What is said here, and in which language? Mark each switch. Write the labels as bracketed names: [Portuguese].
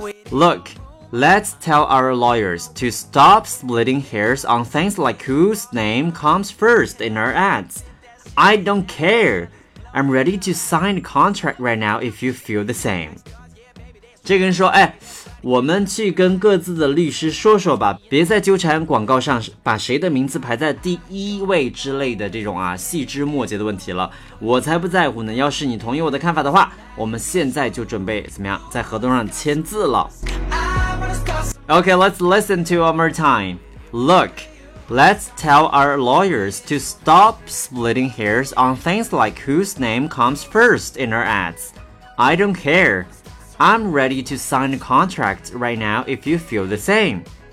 [English] Look, let's tell our lawyers to stop splitting hairs on things like whose name comes first in our ads. I don't care. I'm ready to sign a contract right now if you feel the same. [Chinese] 这个人说，哎，我们去跟各自的律师说说吧，别再纠缠广告上把谁的名字排在第一位之类的这种啊细枝末节的问题了，我才不在乎呢。要是你同意我的看法的话，我们现在就准备怎么样在合同上签字了。 [English] OK, let's listen to one more time. Look, let's tell our lawyers to stop splitting hairs on things like whose name comes first in our ads. I don't careI'm ready to sign a contract right now if you feel the same.